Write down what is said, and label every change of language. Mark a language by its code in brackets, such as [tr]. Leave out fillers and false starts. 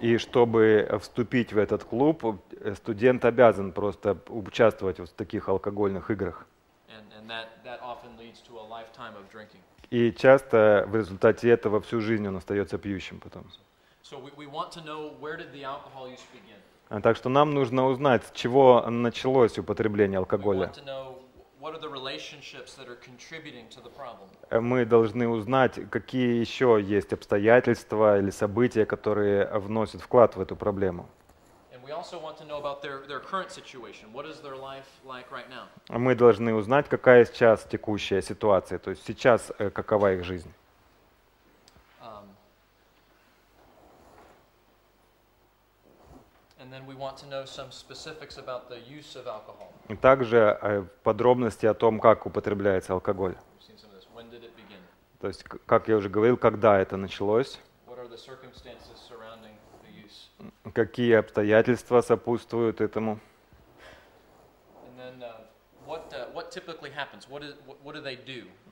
[ru] И чтобы вступить в этот клуб, студент обязан просто участвовать в таких алкогольных играх. [en] And that often leads to a lifetime of drinking. [ru] И часто в результате этого всю жизнь он остается пьющим потом. [en] So we want to know, where did the alcohol use begin? [ru] Так что нам нужно узнать, с чего началось употребление алкоголя. [en] What are the relationships that are contributing to the problem? [ru] Мы должны узнать, какие еще есть обстоятельства или события, которые вносят вклад в эту проблему. [en] And we also want to know about their current situation. What is their life like right now? [ru] Мы должны узнать, какая сейчас текущая ситуация, то есть сейчас какова их жизнь. [en] And then we want to know some specifics about the use of alcohol. [ru] Также подробности о том, как употребляется алкоголь. [en] When did it begin? [ru] То есть, как я уже говорил, когда это началось? [en] What are the circumstances surrounding the use? [ru] Какие обстоятельства сопутствуют этому? [en] And then what typically happens? What do they do?